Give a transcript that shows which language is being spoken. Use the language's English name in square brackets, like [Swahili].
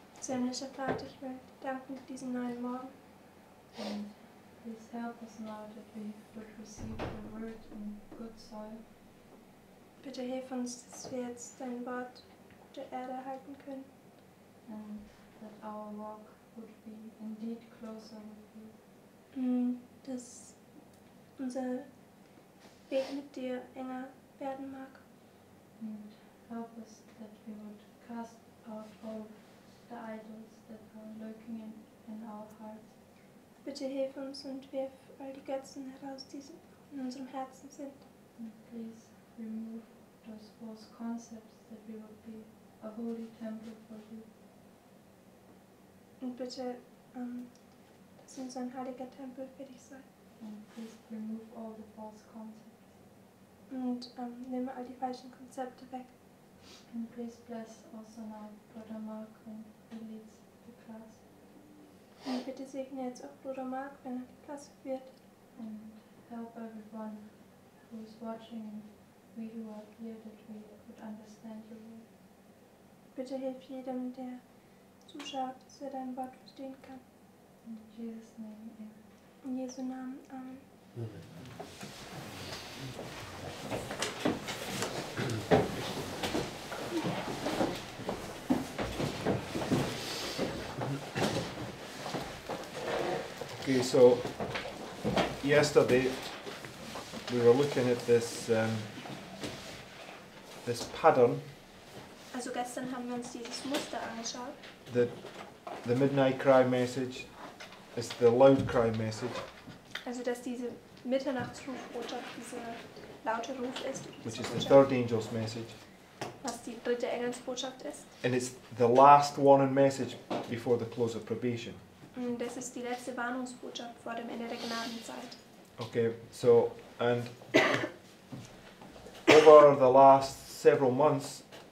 [German] Himmlischer Vater, ich will danken für diesen neuen Morgen. [English] And please help us now that we would receive your word in good soil. [German] Bitte hilf uns, dass wir jetzt dein Wort der Erde erhalten können. [English] And that our walk would be indeed closer with you. [German] Dass unser Weg mit dir enger werden mag. [English] And help us that we would cast out all the idols that are lurking in our hearts. [German] Bitte hilf uns und wirf all die Götzen heraus, die in unserem Herzen sind. [English] And please remove those false concepts that we would be a holy temple for you. [German] Und bitte, dass uns ein heiliger Tempel für dich sei. [English] And please remove all the false concepts. [German] Und nimm all die falschen Konzepte weg. [English] And please bless also my brother Mark when he leads the class. [German] Und bitte segne jetzt auch Bruder Mark, wenn die Klasse führt. [English] And help everyone who is watching and we who are here that we could understand your word. [German] Bitte hilf jedem, der zuschaut, dass er dein Wort verstehen kann. [English] In Jesus' name, amen. [German] In Jesu Namen, amen. [English] Okay, so yesterday we were looking at this this pattern. [German] Also gestern haben wir uns dieses Muster angeschaut. [English] The midnight cry message is the loud cry message. [German] Also dass diese Mitternachtsruf oder dieser laute Ruf ist. [English] Which is the third angel's message. [German] Was die dritte Engelsbotschaft ist. [English] And it's the last warning message before the close of probation. [German] Das ist die letzte Warnungsbotschaft vor dem Ende der Gnadenzeit. [English] Okay, so, and over the last several months,